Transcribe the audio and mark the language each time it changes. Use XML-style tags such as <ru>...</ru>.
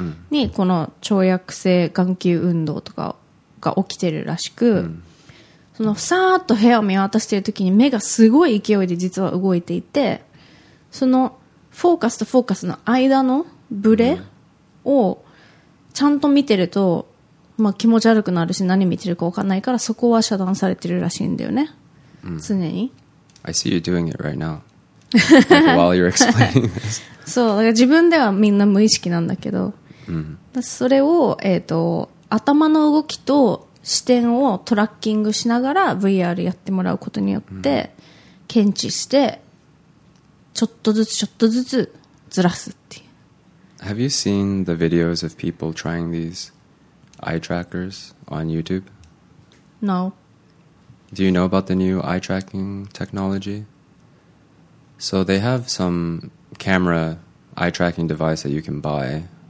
<ja>に、この跳躍性眼球運動とかをが起きてるらしく、そのさーっと部屋を見渡してる時に目がすごい勢いで実は動いていて、そのフォーカスとフォーカスの間のブレをちゃんと見てると、気持ち悪くなるし何見てるか分かんないから、そこは遮断されてるらしいんだよね、常に。</ja> <en>I see you doing it right now、like、while you're explaining this.</en> <ja>そう、だから自分ではみんな無意識なんだけど、それを頭の動きと視点をトラッキングしながら VR やってもらうことによって検知して、ちょっとずつちょっとずつずらすっていう。</ja> <en>Have you seen the videos of people trying these eye trackers on YouTube? No. Do you know about the new eye tracking technology? So they have some camera eye tracking device that you can buy.</en>